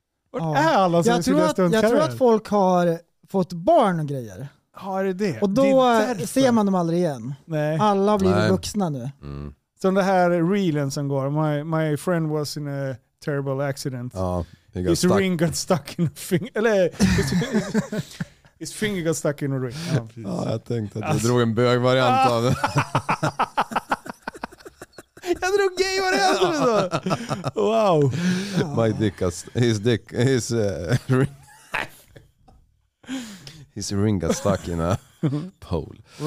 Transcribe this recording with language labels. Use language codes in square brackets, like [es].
[sv] Vart är alla som skulle stunta? Jag tror att folk har fått barn och grejer. Har det? Och då ser man dem aldrig igen. Nej. Alla har blivit vuxna nu. Mm. Som det här reelen som går. [en] My friend was in a terrible accident. [sv] Ja, [en] ring got stuck in a finger. Eller, his finger got stuck in a ring. [sv] Oh, ja, jag tänkte att jag drog en bögvariant av det. Jag drog gayvariant av det. [en] Wow. My dick, his dick, his ring. His ring got stuck in a pole.